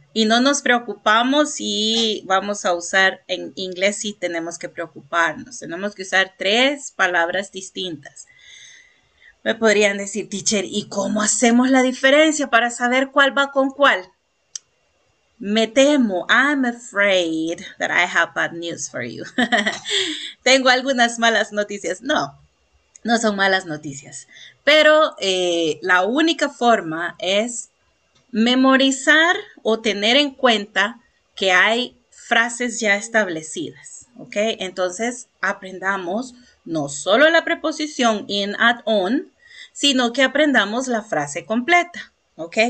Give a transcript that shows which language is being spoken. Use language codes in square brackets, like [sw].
[es] Y no nos preocupamos si vamos a usar en inglés si tenemos que preocuparnos. Tenemos que usar tres palabras distintas. Me podrían decir, teacher, ¿y cómo hacemos la diferencia para saber cuál va con cuál? Me temo, [en] I'm afraid that I have bad news for you. [es] Tengo algunas malas noticias. No, no son malas noticias. Pero la única forma es memorizar o tener en cuenta que hay frases ya establecidas, ¿ok? Entonces, aprendamos no solo la preposición in, at, on, sino que aprendamos la frase completa, ¿ok?